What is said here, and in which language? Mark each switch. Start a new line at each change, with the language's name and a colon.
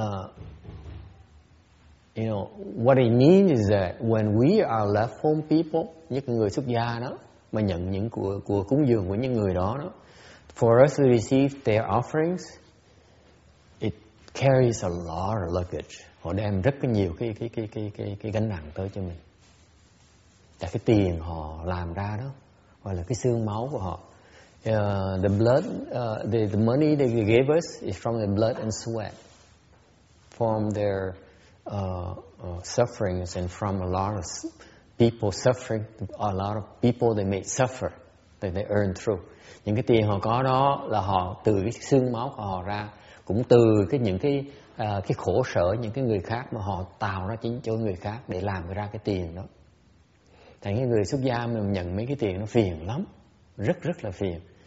English: So what I mean is that when we are left home people,
Vietnamese: những người xuất gia đó mà nhận những của cúng dường của những người đó đó,
English: for us to receive their offerings, it carries a lot of luggage.
Vietnamese: Họ đem rất là nhiều cái gánh nặng tới cho mình. Là cái tiền họ làm ra đó, hoặc là cái xương máu của họ.
English: The blood, the money they gave us is from their blood and sweat, from their sufferings and from a lot of people suffering, a lot of people they made suffer, that they earned through.
Vietnamese: Những cái tiền họ có đó là họ từ cái xương máu của họ ra, cũng từ cái những cái khổ sở những cái người khác mà họ tạo ra chính cho người khác để làm ra cái tiền đó. Thành cái người xuất gia mình nhận mấy cái tiền nó phiền lắm, rất rất là phiền.